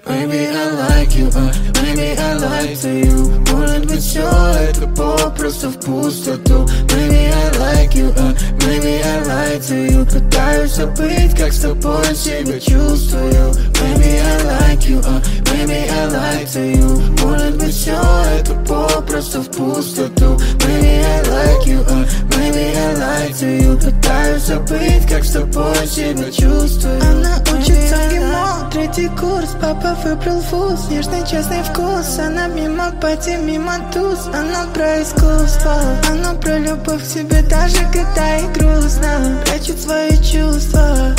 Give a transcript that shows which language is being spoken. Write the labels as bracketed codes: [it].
[en] Maybe I like you, maybe I like to you. [ru] Может быть, все это попросту в пустоту. [en] Maybe I like you, maybe I like to you. [ru] Пытаюсь забыть, как с тобой себя чувствую. [en] Maybe I like you, maybe I like to you. [ru] Может быть, все это попросту в пустоту. [en] Maybe I like you, maybe I like to you. [ru] Пытаюсь забыть, как с тобой себя чувствую. Она учится в ГИМО, третий курс. Папа выбрал вуз, нежный честный вкус. Она мимо пати, мимо туз. Она про искусство, она про любовь к себе. Даже когда и грустно, прячет свои чувства.